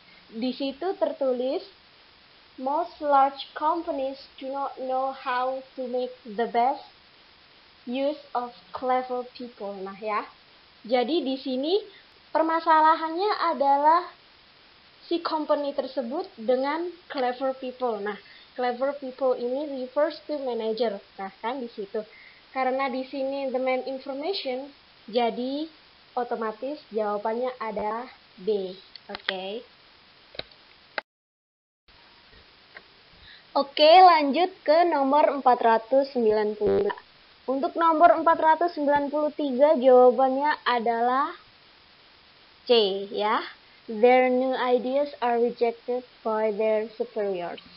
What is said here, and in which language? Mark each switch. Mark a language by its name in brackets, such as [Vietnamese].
[Indonesian] Di situ tertulis [English] most large companies do not know how to make the best use of clever people. [Indonesian] Nah ya. Jadi di sini permasalahannya adalah si company tersebut dengan clever people. Nah, clever people ini [English] refers to manager. [Indonesian] Nah, kan di situ. Karena di sini [English] the main information, [Indonesian] jadi otomatis jawabannya adalah B. Okay. Okay, lanjut ke nomor 493. Untuk nomor 493, jawabannya adalah C, ya. [English] Their new ideas are rejected by their superiors.